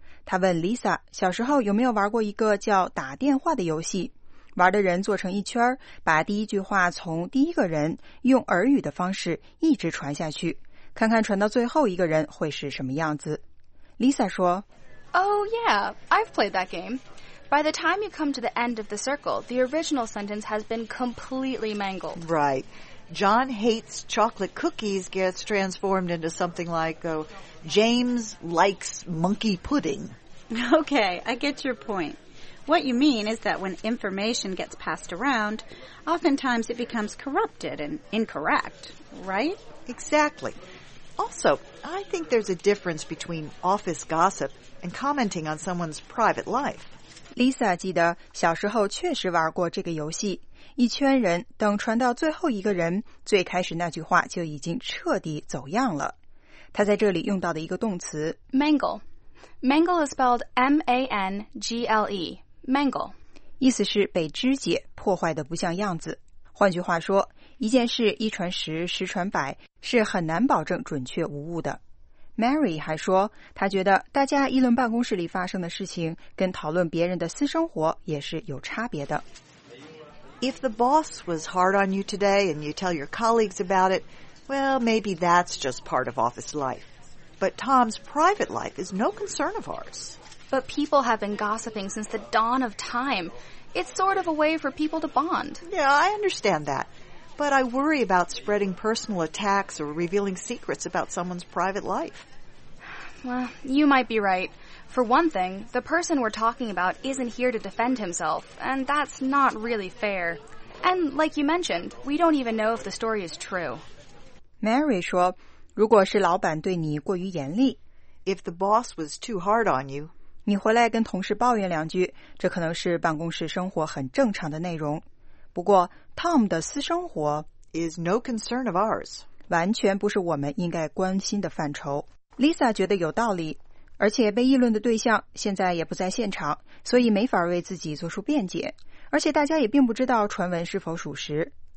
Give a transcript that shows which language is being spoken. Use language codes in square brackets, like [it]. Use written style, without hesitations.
[zh] 他问 Lisa 小时候有没有玩过一个叫打电话的游戏，玩的人坐成一圈，把第一句话从第一个人用耳语的方式一直传下去，看看传到最后一个人会是什么样子。 Lisa 说 [en] Oh yeah, I've played that game. By the time you come to the end of the circle, the original sentence has been completely mangled. Right. John hates chocolate cookies gets transformed into something like, James likes monkey pudding. Okay, I get your point. What you mean is that when information gets passed around, oftentimes it becomes corrupted and incorrect, right? Exactly. Also, I think there's a difference between office gossip and commenting on someone's private life. [zh] Lisa 记得小时候确实玩过这个游戏，一圈人等传到最后一个人，最开始那句话就已经彻底走样了。他在这里用到的一个动词 [en] Mangle. Mangle is spelled M-A-N-G-L-E. Mangle. [zh] 意思是被肢解，破坏得不像样子。换句话说，一件事一传十，十传百，是很难保证准确无误的。 Mary 还说，她觉得大家议论办公室里发生的事情，跟讨论别人的私生活也是有差别的。 [en] If the boss was hard on you today and you tell your colleagues about it, well, maybe that's just part of office life. But Tom's private life is no concern of ours. But people have been gossiping since the dawn of time. It's sort of a way for people to bond. Yeah, I understand that. But I worry about spreading personal attacks or revealing secrets about someone's private life. Well, you might be right. For one thing, the person we're talking about isn't here to defend himself, and that's not really fair. And like you mentioned, we don't even know if the story is true. [zh] Mary 说，如果是老板对你过于严厉， [en] If the boss was too hard on you, [zh] 你回来跟同事抱怨两句，这可能是办公室生活很正常的内容。不过 ,Tom 的私生活 [en] is no concern of ours, [zh] 完全不是我们应该关心的范畴。Lisa 觉得有道理，而且被议论的对象现在也不在现场，所以没法为自己做出辩解，而且大家也并不知道传闻是否属实。